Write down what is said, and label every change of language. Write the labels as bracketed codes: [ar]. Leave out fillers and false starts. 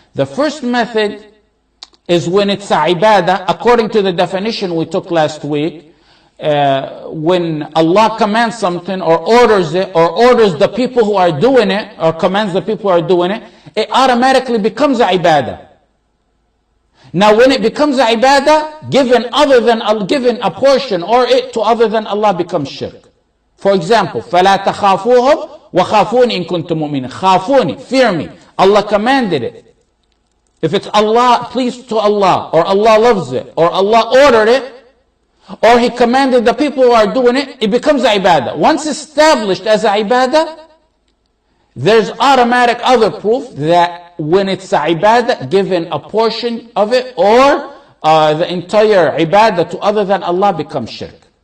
[en] The first method is when it's a ibadah, according to the definition we took last week, when Allah commands something or orders it or orders the people who are doing it or commands the people who are doing it, it automatically becomes a ibadah. Now when it becomes a ibadah, given a portion or it to other than Allah becomes shirk. For example, [ar] فَلَا تَخَافُوهُمْ وَخَافُونِ إِن كُنْتُمْ مُؤْمِنِينَ. [en] خَافُونِ, fear me. Allah commanded it. If it's Allah pleased to Allah, or Allah loves it, or Allah ordered it, or He commanded the people who are doing it, it becomes a ibadah. Once established as a ibadah, there's automatic other proof that when it's a ibadah, given a portion of it, or the entire ibadah to other than Allah becomes shirk.